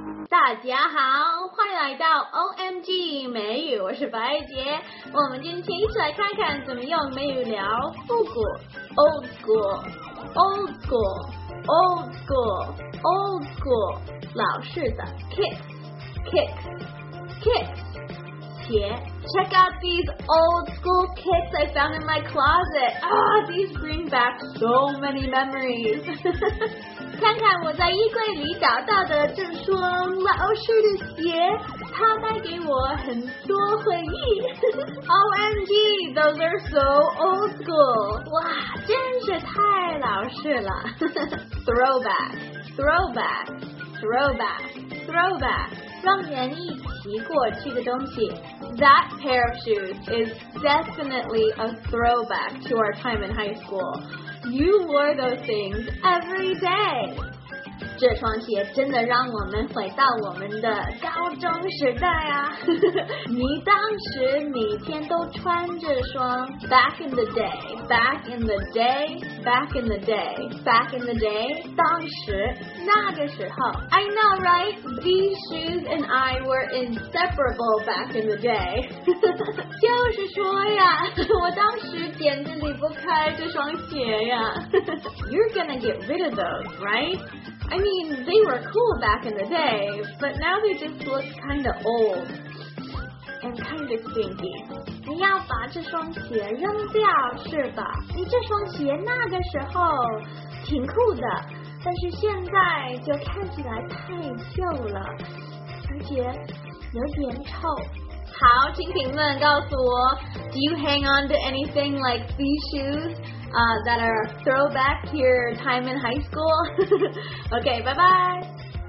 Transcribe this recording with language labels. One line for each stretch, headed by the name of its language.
Chinese: 大家好，欢迎来到 OMG 美语，我是白杰。我们今天一起来看看怎么用美语聊复古
English: old school old school
Chinese: old school old school 老式的 kicks 鞋。
English: Check out these old school kicks I found in my closet. Ah, these bring back so many memories.
Chinese: 看看我在衣柜里找到的这双老式的鞋，它带给我很多回忆。
English: OMG, those are so old school.
Chinese: 哇，真是太老式了。
English: Throwback, throwback, throwback, throwback.
Chinese: 让人一提过去的东西。
English: That pair of shoes is definitely a throwback to our time in high school. You wore those things every day.
Chinese: 这双鞋真的让我们回到我们的高中时代啊。你当时每天都穿这双。
English: Back in the day, back in the day, back in the day, back in the day,
Chinese: 当时那个时候。
English: I know, right? These shoes and I were inseparable back in the day.
Chinese: 就是说呀，我当时简直离不开这双鞋呀。
English: You're gonna get rid of those, right? I mean, they were cool back in the day, but now they just look kind of old and kind of stinky.
Chinese: 你要把这双鞋扔掉是吧？你这双鞋那个时候挺酷的，但是现在就看起来太旧了，而且有点臭。好，请评论告诉我
English: ，Do you hang on to anything like these shoes? That are throwback to your time in high school? Okay, bye bye.